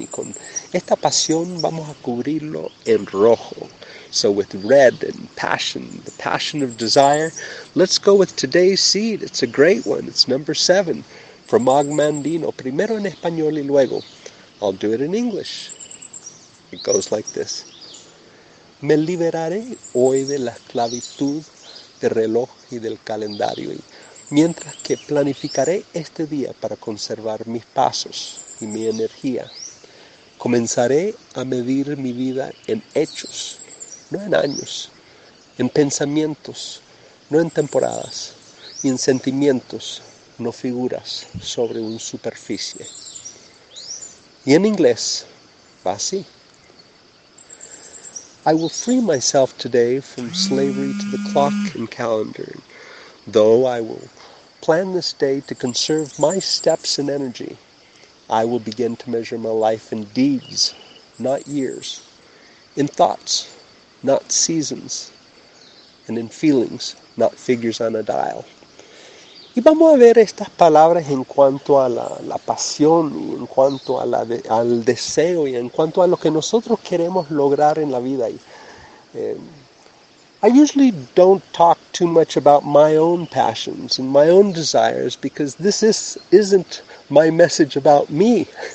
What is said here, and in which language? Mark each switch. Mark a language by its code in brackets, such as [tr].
[es] Y con esta pasión vamos a cubrirlo en rojo. [en] So with red and passion, the passion of desire, let's go with today's seed. It's a great one. It's number 7 from Ogmandino. Primero en español y luego. I'll do it in English. It goes like this. [es] Me liberaré hoy de la esclavitud del reloj y del calendario, y mientras que planificaré este día para conservar mis pasos y mi energía, comenzaré a medir mi vida en hechos, no en años, en pensamientos, no en temporadas, y en sentimientos, no figuras sobre una superficie. Y en inglés va así. [en] I will free myself today from slavery to the clock and calendar. Though I will plan this day to conserve my steps and energy, I will begin to measure my life in deeds, not years, in thoughts, not seasons, and in feelings, not figures on a dial. [es] Y vamos a ver estas palabras en cuanto a la pasión, y en cuanto a al deseo, y en cuanto a lo que nosotros queremos lograr en la vida. [en] I usually don't talk too much about my own passions and my own desires, because this isn't my message about me.